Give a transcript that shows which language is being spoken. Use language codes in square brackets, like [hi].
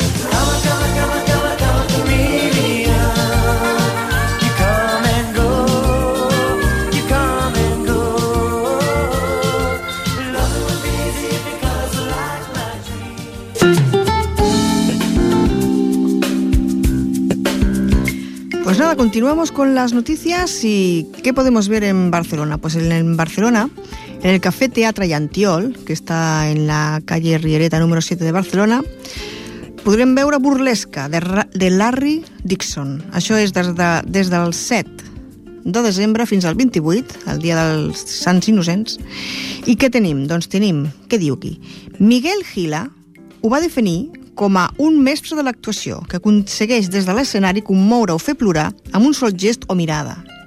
[en] Come, come, come, come, come, chameleon. You come and go, you come and go. Loving will be the only colors of light, my dream. [es] Pues nada, continuamos con las noticias y... ¿Qué podemos ver en Barcelona? Pues en Barcelona, en el Café Teatre i Antiol, que está en la calle Riereta número 7 de Barcelona, [ca] podrem veure [es] Burlesca, de Larry Dixon. [ca] Això és des del 7 de desembre fins al 28, el dia dels Sants Innocents. I què tenim? Doncs tenim, què diu aquí? Miguel Gila ho va definir com a un mestre de l'actuació, que aconsegueix des de l'escenari commoure o fer plorar amb un sol gest o mirada.